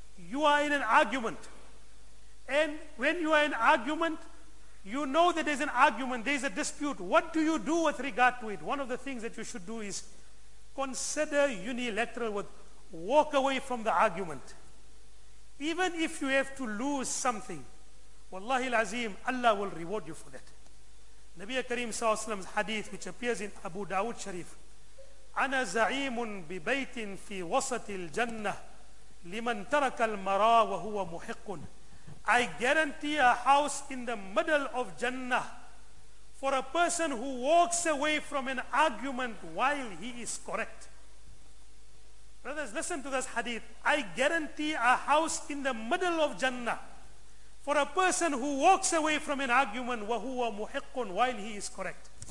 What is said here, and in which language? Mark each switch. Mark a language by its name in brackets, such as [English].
[English] You are in an argument. And when you are in argument, you know that there's an argument, there's a dispute. What do you do with regard to it? One of the things that you should do is consider unilateral withdrawal. Walk away from the argument. Even if you have to lose something, Wallahi al-Azim, Allah will reward you for that. Nabi Karim s.a.w.'s hadith, which appears in Abu Dawud Sharif, [Arabic] أَنَا زَعِيمٌ بِبَيْتٍ فِي وَسَطِ الْجَنَّةِ لِمَنْ تَرَكَ الْمَرَى وَهُوَ مُحِقٌ. [English] I guarantee a house in the middle of Jannah for a person who walks away from an argument while he is correct. Brothers, listen to this hadith. I guarantee a house in the middle of Jannah for a person who walks away from an argument [Arabic] وَهُوَ مُحِقٌ [English] while he is correct.